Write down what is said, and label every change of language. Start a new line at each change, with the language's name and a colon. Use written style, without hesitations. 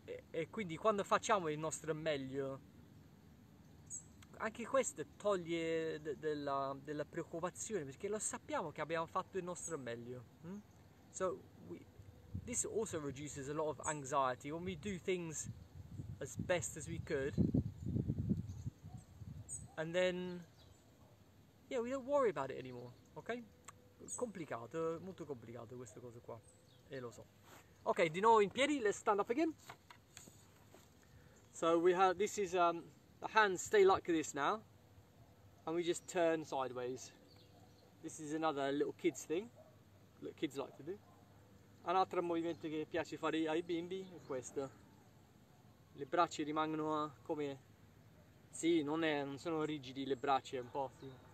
Italian: E quindi quando facciamo il nostro meglio, anche questo toglie della preoccupazione, perché lo sappiamo che abbiamo fatto il nostro meglio.
English: So this also reduces a lot of anxiety when we do things as best as we could, and then we don't worry about it anymore.
Italian: Okay, complicato, molto complicato questa cosa qua, e lo so. Okay, di nuovo in piedi,
English: let's stand up again. So we have, this is, the hands stay like this now, and we just turn sideways. This is another little kids thing that kids like to do.
Italian: Un altro movimento che piace fare ai bimbi è questo. Le braccia rimangono come, sì, non sono rigidi le braccia, un po', sì.